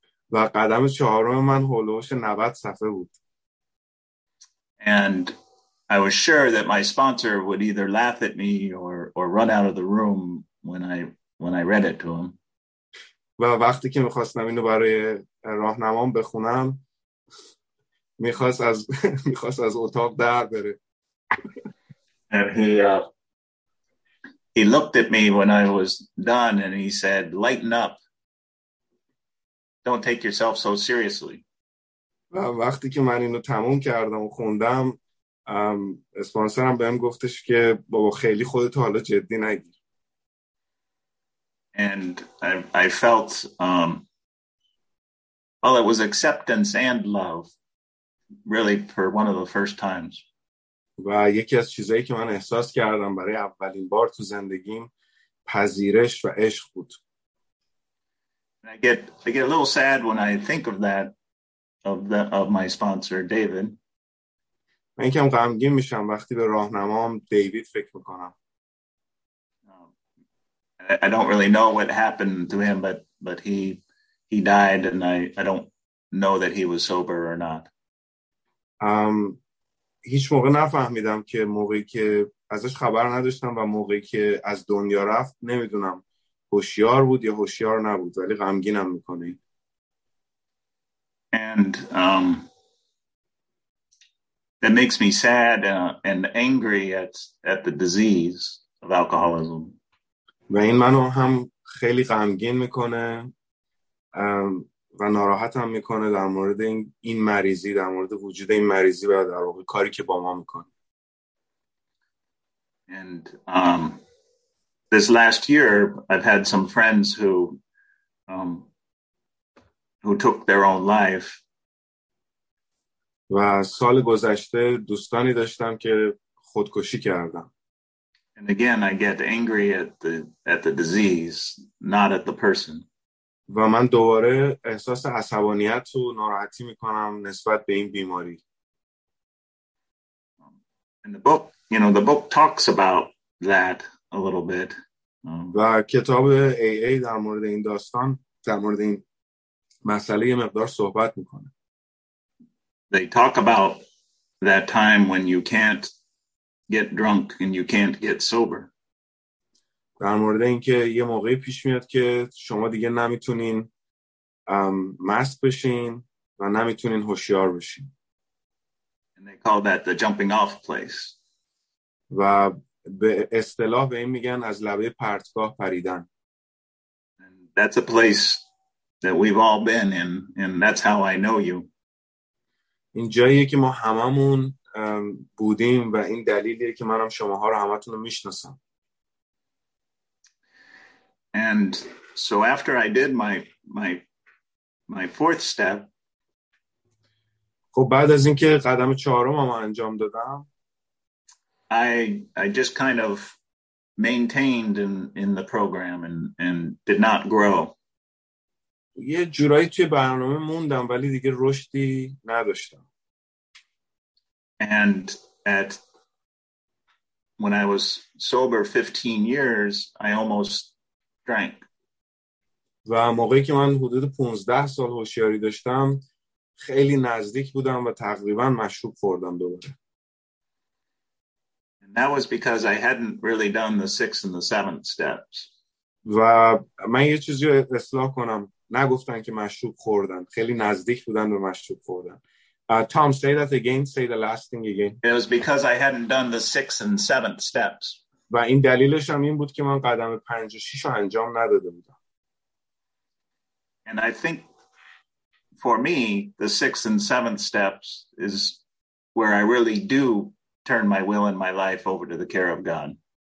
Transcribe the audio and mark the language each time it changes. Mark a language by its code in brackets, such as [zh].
[fa] و قدم چهارم من هولوش 90 صفحه بود. [en] And I was sure that my sponsor would either laugh at me or run out of the room when I read it to him. [fa] و وقتی که می‌خواستم اینو برای راهنمام بخونم می‌خواست از اتاق در بره. [en] And he looked at me when I was done and he said, "Lighten up. Don't take yourself so seriously." [fa] و وقتی که من اینو تموم کردم و خوندم اسپانسرم بهم گفتش که بابا خیلی خودتو حالا جدی نگیر. [en] And I felt well, it was acceptance and love really for one of the first times. [fa] و یکی از چیزایی که من احساس کردم برای اولین بار تو زندگیم پذیرش و عشق بود. [en] I get a little sad when I think of that of my sponsor David. [fa] من کم غمگین میشم وقتی به راهنمام دیوید فکر میکنم. [en] I don't really know what happened to him, but he died and I don't know that he was sober or not. [fa] هیچ موقع نفهمیدم که موقعی که ازش خبر نداشتم و موقعی که از دنیا رفت نمیدونم هوشیار بود یا هوشیار نبود, ولی غمگینم میکنه. [en] And that makes me sad and angry at the disease of alcoholism. [fa] و این منو هم خیلی غمگین میکنه و ناراحتم میکنه در مورد این مریضی, در مورد وجود این مریضی و در واقع کاری که با ما میکنه. [en] And this last year I've had some friends who took their own life. [fa] و سال گذشته دوستانی داشتم که خودکشی کردم. [en] And again I get angry at the disease, not at the person. [fa] و من دوباره احساس عصبانیت و ناراحتی میکنم نسبت به این بیماری. [en] And the book, you know, the book talks about that a little bit. [fa] و کتاب AA در مورد این داستان, در مورد این مسئله یه مقدار صحبت میکنه. [en] They talk about that time when you can't get drunk and you can't get sober. [fa] در مورد اینکه یه موقعی پیش میاد که شما دیگه نمیتونین مست بشین و نمیتونین هوشیار بشین. [en] And they call that the jumping off place. [fa] و به اصطلاح به این میگن از لبه پرتگاه پریدن. [en] And that's a place that we've all been in, and that's how I know you. [fa] این جاییه که ما هممون بودیم و این دلیلیه که منم شماها رو همتون رو میشناسم. [en] And so after I did my fourth step, [fa] خب بعد از اینکه قدم چهارمم انجام دادم, [en] I just kind of maintained in the program and did not grow. [fa] یه جورایی توی برنامه موندم ولی دیگه رشدی نداشتم. [en] And at when I was sober 15 years, I almost drank. [fa] و موقعی که من حدود 15 سال هوشیاری داشتم خیلی نزدیک بودم و تقریبا مشروب خوردم دوباره. [en] And that was because I hadn't really done the sixth and the seventh steps. [fa] و من یه چیزی رو اصلاح کنم, نگفتن که مشروب خوردن, خیلی نزدیک بودن به مشروب خوردن. [en] Tom, say that again, say the last thing again. It was because I hadn't done the sixth and seventh steps. [fa] و این دلیلش هم این بود که من قدم پنج و شیش رو انجام نداده بودم. [en] And I think for me, the sixth and seventh steps is where I really do turn my will and my life over to the care of God.